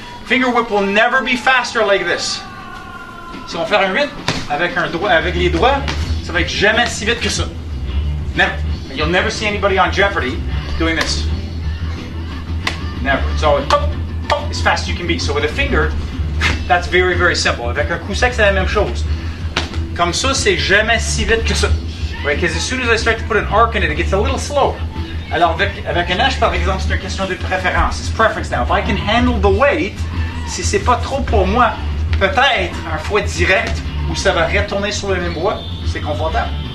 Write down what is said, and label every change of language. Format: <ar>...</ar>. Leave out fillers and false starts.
<en>Finger whip will never be faster like this.</en> <fr>Si on fait un 8 avec un doigt, avec les doigts, ça va être jamais si vite que ça.</fr> <en>Never. You'll never see anybody on Jeopardy doing this. Never. It's always pop, pop, as fast as you can be. So with a finger, that's very, very simple.</en> <fr>Avec un coup sec, c'est la même chose. Comme ça, c'est jamais si vite que ça. Right?</fr> <en>Because as soon as I start to put an arc in it, it gets a little slow.</en> <fr>Alors avec un H, par exemple, c'est une question de préférence.</fr> <en>It's preference now. If I can handle the weight,</en> <fr>si c'est pas trop pour moi, peut-être un fouet direct où ça va retourner sur le même bois, c'est confortable.</fr>